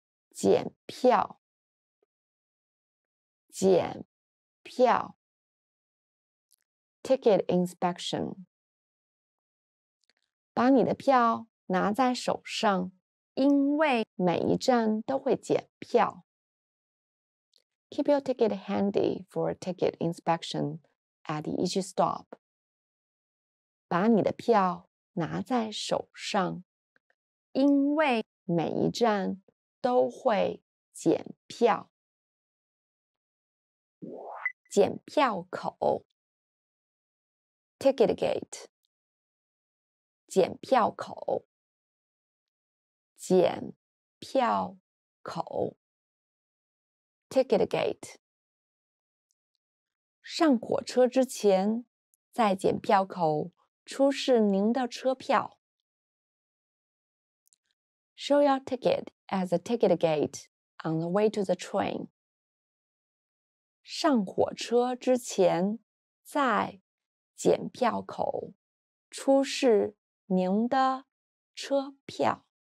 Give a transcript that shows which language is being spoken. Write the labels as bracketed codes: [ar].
[zh] 检票检票 [en] Ticket inspection. [zh] 把你的票拿在手上因为每一站都会检票 [en] Keep your ticket handy for a ticket inspection at each stop. [zh] 把你的票拿在手上因为每一站都会检票。检票口 [en] Ticket gate [zh] 检票口检票口 [en] Ticket gate [zh] 上火车之前在检票口出示您的车票。 [en] Show your ticket at the ticket gate on the way to the train. [zh] 上火车之前在检票口出示您的车票。